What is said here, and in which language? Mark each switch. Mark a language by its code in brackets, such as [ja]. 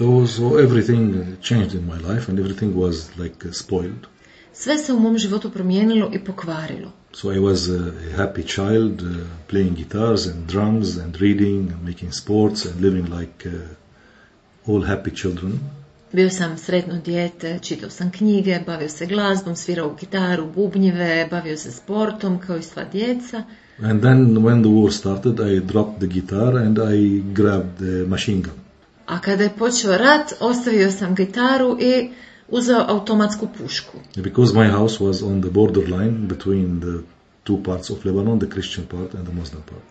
[en] So everything changed in my life and everything was like spoiled. [hr] Sve se u mom životu promijenilo i pokvarilo. [en] So I was a happy child playing guitars and drums and reading and making sports and living like all happy children. [hr] Bio sam sretno dijete, čitao sam knjige, bavio se glazbom, svirao gitaru, bubnjeve, bavio se sportom kao i sva djeca. [en] And then when the war started, I dropped the guitar and I grabbed the machine gun. [hr] A kada je počeo rat, ostavio sam gitaru i uzeo automatsku pušku. [en] Because my house was on the borderline between the two parts of Lebanon, the Christian part and the Muslim part.